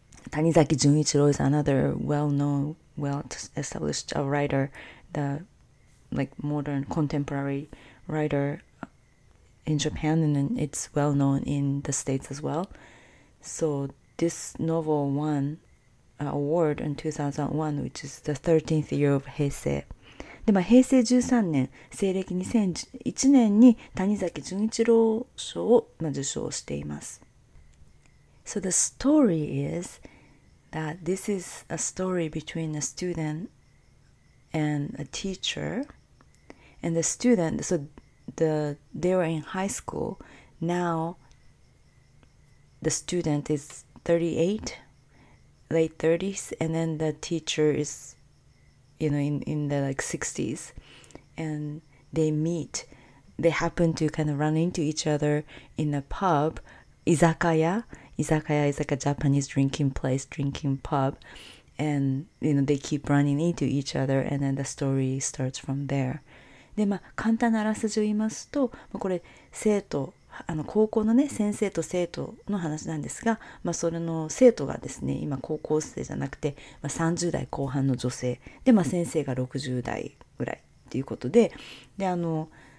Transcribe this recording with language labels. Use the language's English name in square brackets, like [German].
[English] Tanizaki Junichiro is another well-known, well-established writer, the like modern contemporary writer in Japan, and it's well-known in the States as well. So this novel won an award in 2001, which is the 13th year of Heisei. [Japanese] で、まあ、平成13年、西暦2001年に谷崎潤一郎賞を、まあ、受賞しています。 [English] So the story is that this is a story between a student and a teacher. And the student, so they were in high school. Now the student is 38, late 30s, and then the teacher is... You know, in the like 60s, and they meet. They happen to kind of run into each other in a pub, izakaya. Izakaya is like a Japanese drinking place, drinking pub. And you know, they keep running into each other, and then the story starts from there. [Japanese] で、まあ簡単なあらすじを言いますと、まあ、これ生徒あの高校のね先生と生徒の話なんですが、まあ、それの生徒がですね今高校生じゃなくて、まあ、30代後半の女性で、まあ、先生が60代ぐらいっていうことで、であの